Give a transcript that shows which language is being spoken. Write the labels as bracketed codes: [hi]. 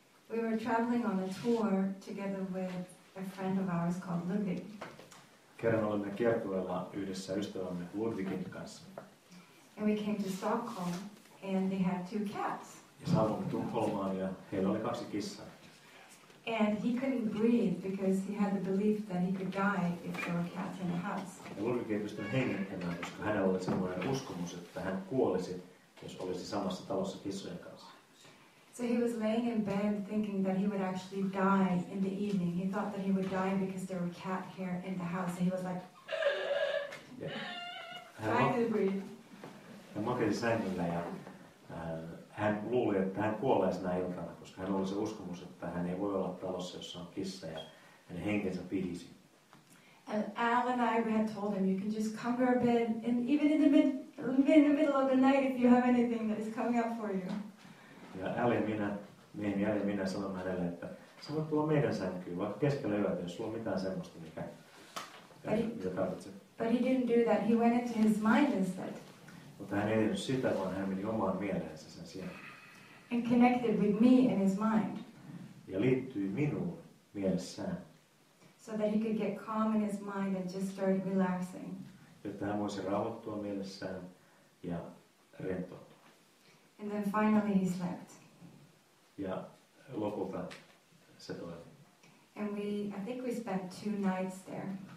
[en] We were traveling on a tour together with a friend of ours called Ludwig. [fi] Kerran olemme kiertueella yhdessä ystävämme Ludwigin kanssa. [en] And we came to Stockholm and they had two cats. [fi] Ja saavuimme Tukholmaan ja heillä oli kaksi kissaa. [en] And he couldn't breathe because he had the belief that he could die if there were cats in the house. [fi] Ja Ludwig ei pystynyt hengittämään, koska hänellä oli sellainen uskomus, että hän kuolisi, jos olisi samassa talossa kissojen kanssa. [en] So he was laying in bed thinking that he would actually die in the evening. He thought that he would die because there were cat hair in the house. And he was like, trying to breathe. [fi] Hän makasi sängyllä ja hän luuli, että hän kuolee sinä iltana, koska hän oli se uskomus, että hän ei voi olla talossa, jossa on kissa ja hänen henkensä pihisi. [en] And Al and I, we had told him, you can just cover a bed, and even in the middle of the night, if you have anything that is coming up for you. [fi] Ja Al ja minä sanoin hänelle, että sä voit tulla meidän sänkyyn, vaikka keskellä yötä, jos sulla on mitään semmoista, mitä tarvitset. [en] But he didn't do that, he went into his mind instead. [fi] Mutta hän ei tehnyt sitä, vaan hän meni omaan mieleensä sen sijaan. [en] And connected with me in his mind. [fi] Ja liittyi minuun mielessään. [en] So that he could get calm in his mind and just start relaxing. [fi] Jotta hän voisi rauhoittua mielessään ja rentoutua. [en] And then finally he slept. [fi] Ja lopulta se toimi. [en] And I think we spent two nights there.